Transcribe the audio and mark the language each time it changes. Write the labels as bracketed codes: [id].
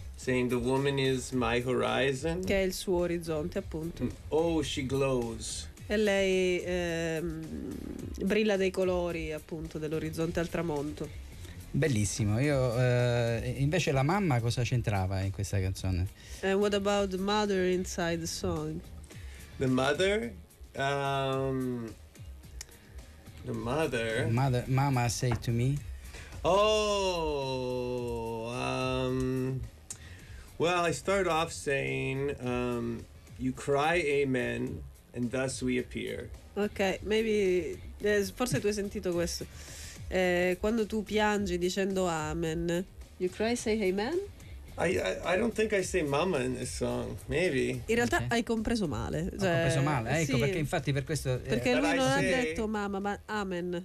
[en] Saying the woman is my horizon. [it] Che è il suo orizzonte, appunto. [en] Oh, she glows. [it] E lei brilla dei colori, appunto, dell'orizzonte al tramonto. Bellissimo. Io invece la mamma cosa c'entrava in questa canzone? [en] And what about the mother inside the song? The mother? The mother. Mama say to me. Well, I start off saying, you cry, amen, and thus we appear. [it] Okay, maybe, forse tu hai sentito questo. Quando tu piangi dicendo amen, [en] you cry, say amen? I don't think I say mamma in this song, maybe. [it] In realtà okay. Hai compreso male. Cioè, ho compreso male, ecco, sì. Perché infatti per questo... Perché lui non ha detto mamma, ma amen.